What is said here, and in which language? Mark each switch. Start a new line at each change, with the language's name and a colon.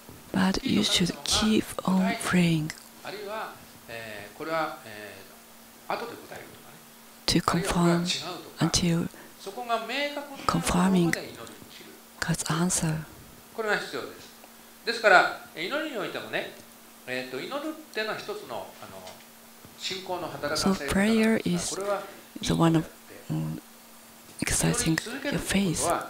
English: But you should keep on praying to confirm until confirming God's answer.
Japanese: これが必要です。ですから、祈りにおいてもね、祈るっていうのは一つの、
English: So prayer is the one of exercising your faith.